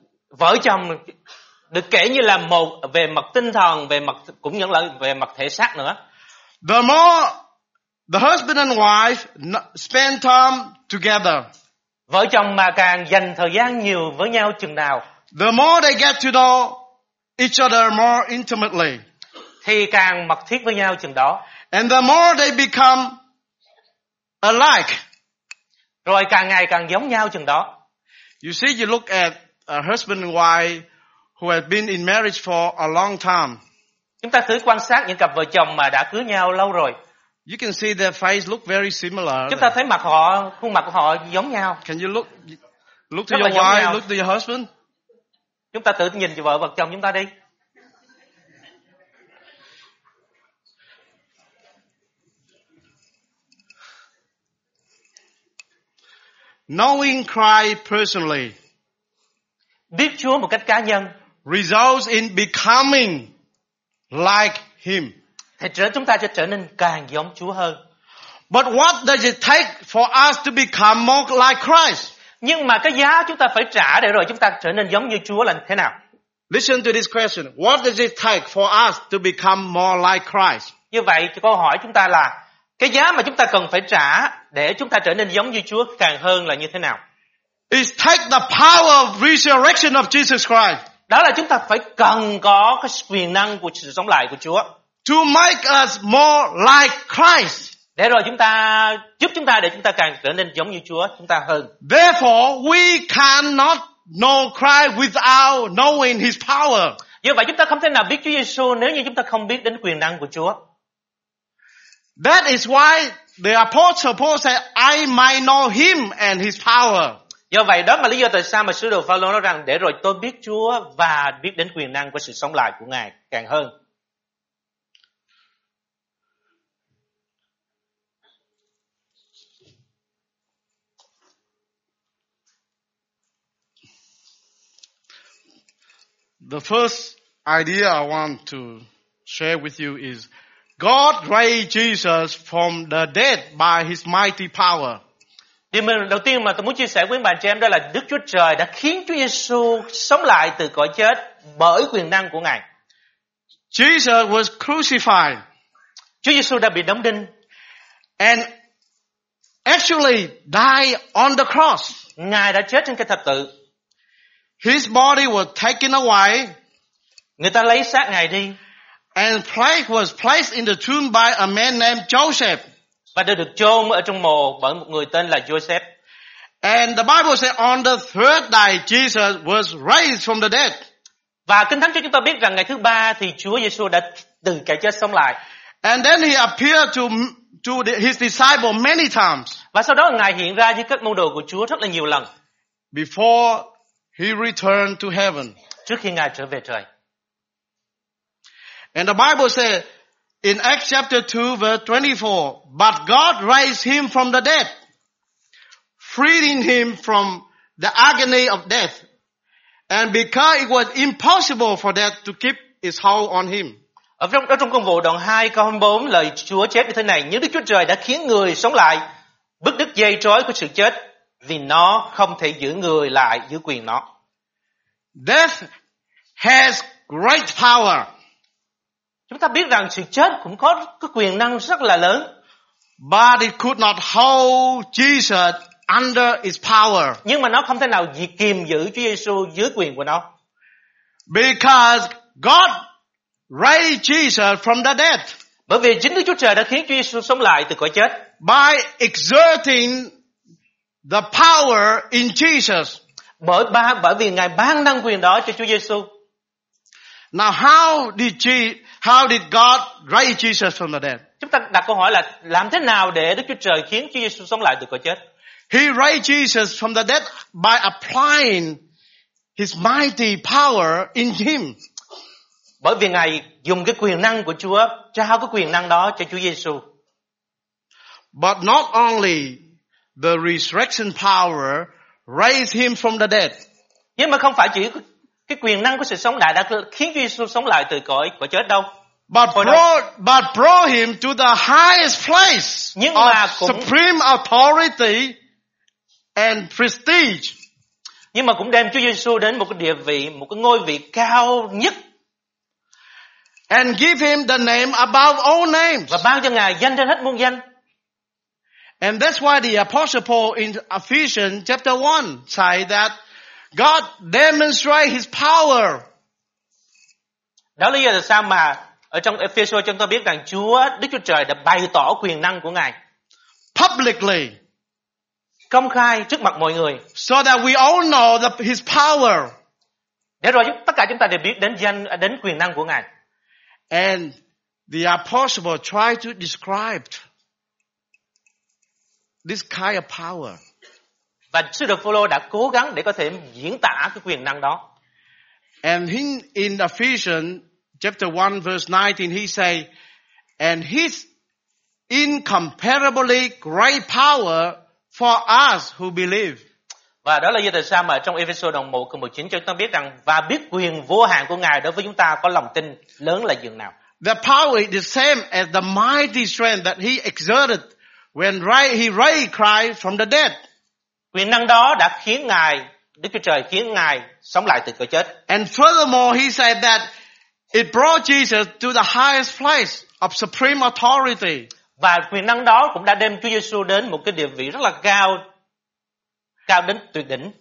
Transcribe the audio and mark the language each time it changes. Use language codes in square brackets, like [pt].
[vi] Vợ chồng được kể như là một về mặt tinh thần, về mặt cũng như là về mặt thể xác nữa. [en] The more the husband and wife spend time together. [vi] Vợ chồng mà càng dành thời gian nhiều với nhau chừng nào, [en] the more they get to know each other more intimately. [vi] Thì càng mật thiết với nhau chừng đó. [en] And the more they become alike. [vi] Rồi càng ngày càng giống nhau chừng đó. [en] You see, you look at a husband and wife who have been in marriage for a long time. [vi] Chúng ta thử quan sát những cặp vợ chồng mà đã cưới nhau lâu rồi. [en] You can see their face look very similar. [vi] Chúng ta thấy mặt họ, khuôn mặt của họ giống nhau. [en] Can you look to your wife, look to your husband? [vi] Chúng ta tự nhìn vợ và chồng chúng ta đi. [en] Knowing Christ personally, [vi] biết Chúa một cách cá nhân, [en] results in becoming like Him. [vi] Thì chúng ta sẽ trở nên càng giống Chúa hơn. [en] But what does it take for us to become more like Christ? [vi] Nhưng mà cái giá chúng ta phải trả để rồi chúng ta trở nên giống như Chúa là thế nào? [en] Listen to this question. What does it take for us to become more like Christ? [vi] Như vậy, câu hỏi chúng ta là cái giá mà chúng ta cần phải trả để chúng ta trở nên giống như Chúa càng hơn là như thế nào? [en] It takes the power of resurrection of Jesus Christ. [vi] Đó là chúng ta phải cần có cái quyền năng của sự sống lại của Chúa. [en] To make us more like Christ. [vi] Để rồi chúng ta giúp chúng ta để chúng ta càng trở nên giống như Chúa chúng ta hơn. [en] Therefore, we cannot know Christ without knowing His power. [vi] Do vậy chúng ta không thể nào biết Chúa Giêsu nếu như chúng ta không biết đến quyền năng của Chúa. [en] That is why the apostle Paul said, "I might know Him and His power." [vi] Do vậy đó là lý do tại sao mà sứ đồ Phaolô nói rằng để rồi tôi biết Chúa và biết đến quyền năng của sự sống lại của Ngài càng hơn. [en] The first idea I want to share with you is God raised Jesus from the dead by His mighty power. [vi] Điều đầu tiên mà tôi muốn chia sẻ với bạn cho em đó là Đức Chúa Trời đã khiến Chúa Giêsu sống lại từ cõi chết bởi quyền năng của Ngài. [en] Jesus was crucified. [vi] Chúa Giêsu đã bị đóng đinh. [en] And actually died on the cross. [vi] Ngài đã chết trên cái thập tự. [en] His body was taken away. [vi] Người ta lấy xác Ngài đi. [en] And place was placed in the tomb by a man named Joseph. [vi] Và được chôn ở trong mộ bởi một người tên là Joseph. [en] And the Bible says on the third day Jesus was raised from the dead. [vi] Và Kinh Thánh cho chúng ta biết rằng ngày thứ ba thì Chúa Giêsu đã từ cõi chết sống lại. [en] And then he appeared to his disciples many times. [vi] Và sau đó Ngài hiện ra với các môn đồ của Chúa rất là nhiều lần. [en] Before He returned to heaven. [vi] Trước khi Ngài trở về trời. [en] And the Bible says, In Acts chapter 2 verse 24, but God raised him from the dead, freeing him from the agony of death. And because it was impossible for death to keep its hold on him. [vi] Ở trong, ở trong công vụ đoạn 2 câu 24 lời Chúa chép như thế này, nhưng Đức Chúa Trời đã khiến người sống lại, bứt đứt dây trói của sự chết vì nó không thể giữ người lại dưới quyền nó. [en] Death has great power. [vi] Chúng ta biết rằng sự chết cũng có cái quyền năng rất là lớn. [en] But it could not hold Jesus under its power. [vi] Nhưng mà nó không thể nào kiềm giữ Chúa Giêsu dưới quyền của nó. [en] Because God raised Jesus from the dead. [vi] Bởi vì chính Đức Chúa Trời đã khiến Chúa Giêsu sống lại từ cõi chết. [en] By exerting the power in Jesus. [vi] Bởi vì Ngài ban năng quyền đó cho Chúa Giêsu. [en] Now how did God raise Jesus from the dead? [vi] Chúng ta đặt câu hỏi là làm thế nào để Đức Chúa Trời khiến Chúa Giêsu sống lại từ cõi chết? [en] He raised Jesus from the dead by applying his mighty power in him. [vi] Bởi vì Ngài dùng cái quyền năng của Chúa trao cái quyền năng đó cho Chúa Giêsu. [en] But not only the resurrection power raised him from the dead. [vi] Nhưng mà không phải chỉ cái quyền năng của sự sống đã khiến Chúa Giêsu sống lại từ cõi chết đâu. [en] But brought him to the highest place of supreme authority and prestige. [vi] Nhưng mà cũng đem Chúa Giêsu đến một cái địa vị, một cái ngôi vị cao nhất. [en] And give him the name above all names. [vi] Và ban cho Ngài danh trên hết muôn danh. [en] And that's why the Apostle Paul in Ephesians chapter 1 say that God demonstrate his power. [vi] Đó là lý do sao mà ở trong Ephesians chúng ta biết rằng Chúa, Đức Chúa Trời đã bày tỏ quyền năng của Ngài. [en] Publicly. [vi] Công khai trước mặt mọi người. [en] So that we all know his power. [vi] Để rồi tất cả chúng ta đều biết đến quyền năng của Ngài. [en] And the Apostle tried to describe this kind of power. [vi] Và sư đồ Phaolô đã cố gắng để có thể diễn tả cái quyền năng đó. [en] And in Ephesians chapter 1 verse 19 he say, and his incomparably great power for us who believe. [vi] Và đó là do tại sao mà trong Ephesians đoạn 1 câu 19 chúng ta biết rằng và biết quyền vô hạn của Ngài đối với chúng ta có lòng tin lớn là dường nào. [en] The power is the same as the mighty strength that he exerted when he raised Christ from the dead. [vi] Quyền năng đó đã khiến Ngài, Đức Chúa Trời khiến Ngài sống lại từ cõi chết. [en] And furthermore, he said that it brought Jesus to the highest place of supreme authority. [vi] Và quyền năng đó cũng đã đem Chúa Giêsu đến một cái địa vị rất là cao đến tuyệt đỉnh.